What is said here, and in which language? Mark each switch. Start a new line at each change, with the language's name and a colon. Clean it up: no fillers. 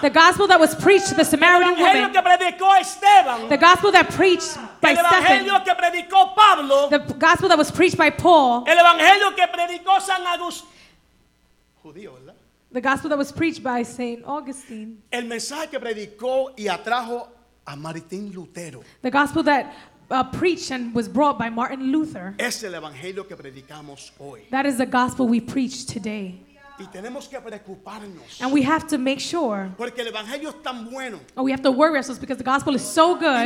English: The gospel that was preached to the Samaritan woman.
Spanish: El evangelio que predicó Esteban.
English: The gospel that preached by Stephen.
Spanish: El evangelio que predicó Pablo.
English: The gospel that was preached by Paul.
Spanish: El evangelio que predicó San Agustín. Judío, ¿verdad?
English: The gospel that was preached by Saint Augustine.
Spanish: El mensaje que predicó y atrajo a Martín Lutero.
English: The gospel that preached and was brought by Martin Luther.
Spanish: Es el evangelio que predicamos hoy.
English: That is the gospel we preach today.
Spanish: Y tenemos que preocuparnos.
English: And we have to make sure.
Spanish: Porque el evangelio es tan bueno.
English: Oh, we have to worry ourselves because the gospel is so good.